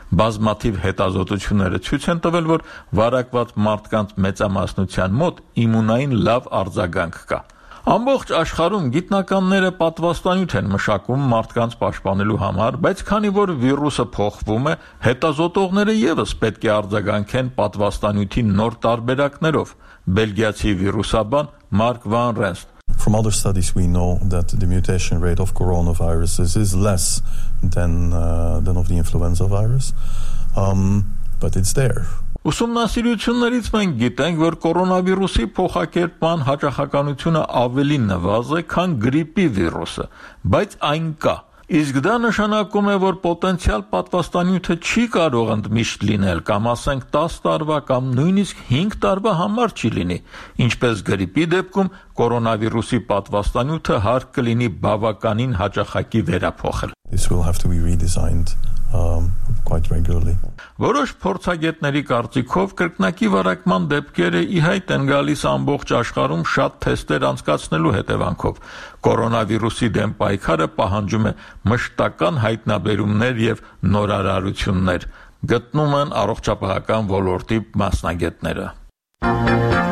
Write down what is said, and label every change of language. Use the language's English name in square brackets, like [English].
[Armenian] Բազմաթիվ հետազոտությունները ցույց են տվել, որ վարակված մարդկանց մեծամասնության մոտ իմունային լավ արձագանք կա։ Ամբողջ աշխարհում գիտնականները պատվաստանյութ են մշակում մարդկանց պաշտպանելու համար, բայց քանի որ վիրուսը փոխվում է, հետազոտողները ևս պետք է արձագանքեն պատվաստանյութի նոր տարբերակներով։ Բելգիացի վիրուսաբան Մարկ վան Ռենստ. [English] From other studies we know that the mutation rate of coronaviruses is less than of the influenza virus. But it's there. [Armenian] Ուսումնասիրություններից մենք գիտենք, որ կորոնավիրուսի փոխակերպման հաճախականությունը ավելի նվազ է, քան գրիպի վիրուսը, բայց այն կա։ Իսկ դա նշանակում է, որ պոտենցիալ պատվաստանյութը չի կարող ընդմիշտ լինել, կամ ասենք 10 տարվա կամ նույնիսկ 5 տարվա համար չի լինի։ Ինչպես գրիպի դեպքում, կորոնավիրուսի պատվաստանյութը հարկ կլինի բավականին հաճախակի վերափոխել։ [English] This will have to be redesigned quite regularly. [Armenian] Որոշ փորձագետների կարծիքով կրկնակի վարակման դեպքերը ի հայտ են գալիս ամբողջ աշխարհում շատ թեստեր անցկացնելու հետևանքով։ Կորոնավիրուսի դեմ պայքարը պահանջում է մշտական հայտնաբերումներ և նորարարություններ, գտնում են առողջապահական ոլորտի մասնագետները։